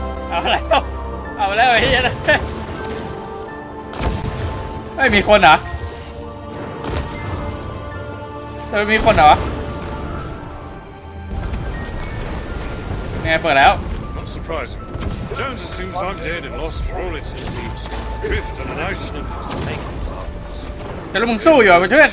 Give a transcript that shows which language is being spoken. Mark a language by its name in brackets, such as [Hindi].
[Thai] เอาแล้วเอาแล้วไอ้เนี่ยไม่มีคนอ่ะเธอมีคนเหรอไงเปิดแล้ว [English] Not surprising. Jones assumes I'm dead and lost for all eternity. Drift on an ocean of snake songs. [Thai] แต่ละมึงสู้อยู่อ่ะเพื่อน